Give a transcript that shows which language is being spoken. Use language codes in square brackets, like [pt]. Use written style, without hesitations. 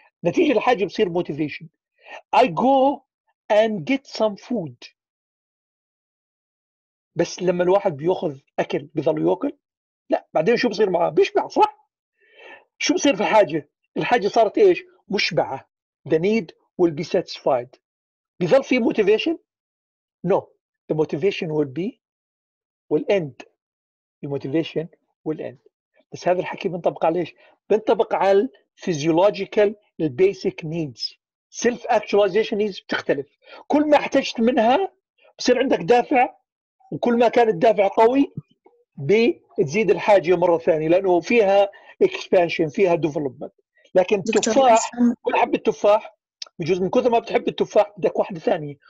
[ar] نتيجة للحاجة بصير موتيفيشن. [en] I go and get some food. [ar] بس لما الواحد بيأخذ أكل بيظل يأكل؟ لا، بعدين شو بصير معه؟ بيشبع، صح؟ شو بصير في حاجة؟ الحاجة صارت إيش؟ مشبعة. [en] The need will be satisfied. [ar] بيظل في motivation؟ No. [en] The motivation will end. The motivation will end. [ar] بس هذا الحكي بنطبق على إيش؟ بنطبق على physiological basic needs. [en] Self-actualization needs بتختلف. [ar] كل ما احتجت منها بصير عندك دافع، وكل ما كان الدافع قوي بتزيد الحاجة مرة ثانية لأنه فيها expansion، فيها development. لكن التفاح، كل حب التفاح بجوز من كثر ما بتحب التفاح بدك واحدة ثانية.